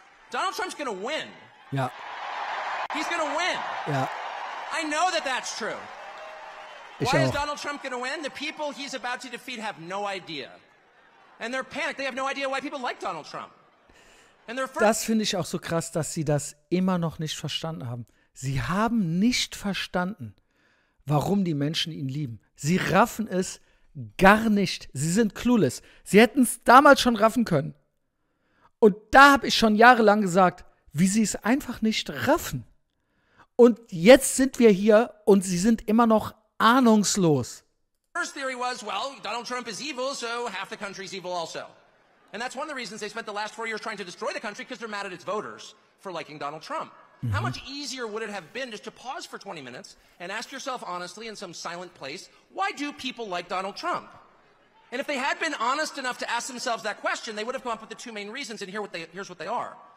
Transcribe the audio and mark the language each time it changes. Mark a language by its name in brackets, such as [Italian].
[English] Donald Trump's going to win. Yeah. He's going to win. Yeah. I know that that's true. [German] Ich [English] Why [German] auch. [English] Is Donald Trump going to win? The people he's about to defeat have no idea. And they're panicked. They have no idea why people like Donald Trump. And they're first- [German] Das finde ich auch so krass, dass sie das immer noch nicht verstanden haben. Sie haben nicht verstanden, warum die Menschen ihn lieben. Sie raffen es gar nicht. Sie sind clueless. Sie hätten es damals schon raffen können. Und da habe ich schon jahrelang gesagt, wie sie es einfach nicht raffen. Und jetzt sind wir hier und sie sind immer noch ahnungslos. [English] First theory was, well, Donald Trump is evil, so half the country's evil also. And that's one of the reasons they spent the last 4 years trying to destroy the country, because they're mad at its voters for liking Donald Trump. Mm-hmm. How much easier would it have been just to pause for 20 minutes and ask yourself honestly in some silent place, why do people like Donald Trump? And if they had been honest enough to ask themselves that question, they would have come up with the 2 main reasons, and here's what they are.